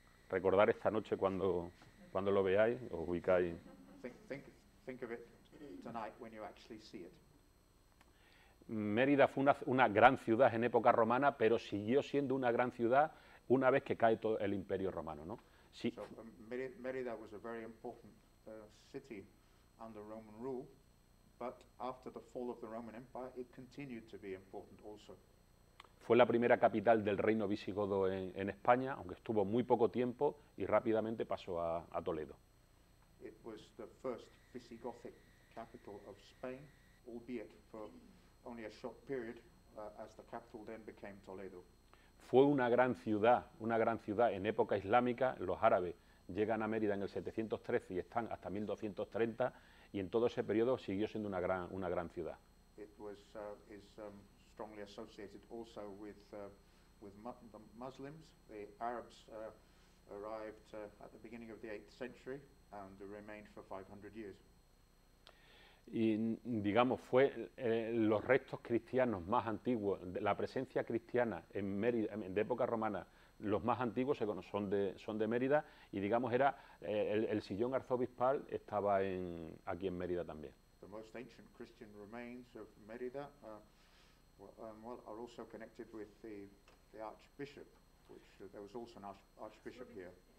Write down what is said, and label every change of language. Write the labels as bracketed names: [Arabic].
[Spanish] Recordar esta noche cuando lo veáis, os ubicáis. [English] Think of it tonight when you actually see it. [Spanish] Mérida fue una gran ciudad en época romana, pero siguió siendo una gran ciudad una vez que cae todo el Imperio Romano, ¿no? Sí. [English] So, Mérida was a very important city under Roman rule, but after the fall of the Roman Empire, it continued to be important also. [Spanish] Fue la primera capital del reino visigodo en España, aunque estuvo muy poco tiempo y rápidamente pasó a Toledo. [English] It was the first Visigothic capital of Spain, albeit for only a short period, as the capital then became Toledo. [Spanish] Fue una gran ciudad en época islámica. Los árabes llegan a Mérida en el 713 y están hasta 1230, y en todo ese periodo siguió siendo una gran ciudad. [English] It was, strongly associated also with the Muslims. The Arabs arrived at the beginning of the 8th century and remained for 500 years. [Spanish] Y digamos, fue los restos cristianos más antiguos, la presencia cristiana en Mérida, de época romana, los más antiguos son de Mérida, y digamos, era el sillón arzobispal estaba aquí en Mérida también. [English] The most ancient Christian remains of Mérida are also connected with the archbishop, which there was also an archbishop here.